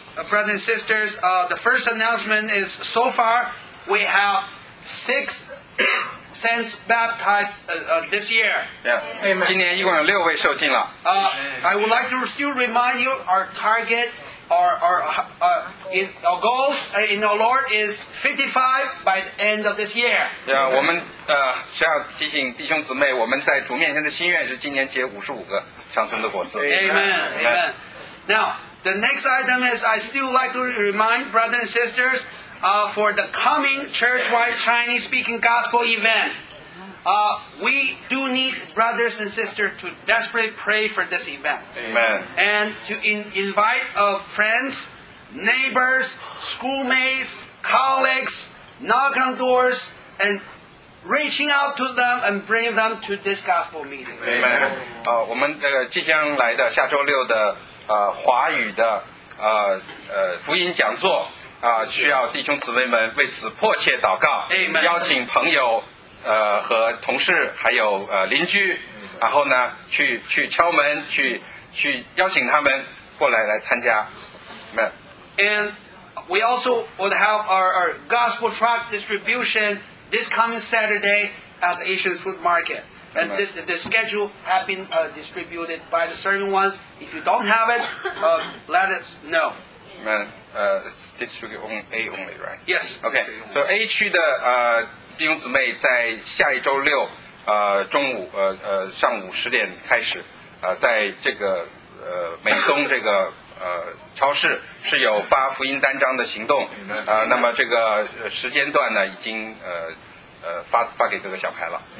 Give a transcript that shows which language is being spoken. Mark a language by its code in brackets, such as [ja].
[en] Brothers and sisters, the first announcement is so far we have 6 saints baptized this year. Yeah. Amen. I would like to still remind you our target, our goals in the Lord is 55 by the end of this year. [zh] Yeah, 我们需要提醒弟兄姊妹，我们在主面前的心愿是今年结55个长存的果子。 [en] Amen. Now, the next item is I still like to remind brothers and sisters for the coming church-wide Chinese-speaking gospel event. We do need brothers and sisters to desperately pray for this event. Amen. And to invite friends, neighbors, schoolmates, colleagues, knock on doors, and reaching out to them and bring them to this gospel meeting. Amen. [zh] 我们即将来的下周六的华语的福音讲座需要弟兄姊妹们为此迫切祷告。 [en] Amen. [zh] 邀请朋友和同事还有邻居，然后呢去敲门，去邀请他们过来参加。 [en] Amen. And we also would help our gospel tract distribution this coming Saturday at the Asian Food Market. And the schedule has been distributed by the serving ones. If you don't have it, let us know. Amen. Distribute on A only, right? Yes. Okay. [zh] So A 区的弟兄姊妹在下一周六中午上午十点开始在这个美东这个超市是有发福音单张的行动，那么这个时间段呢已经发给各个小牌了。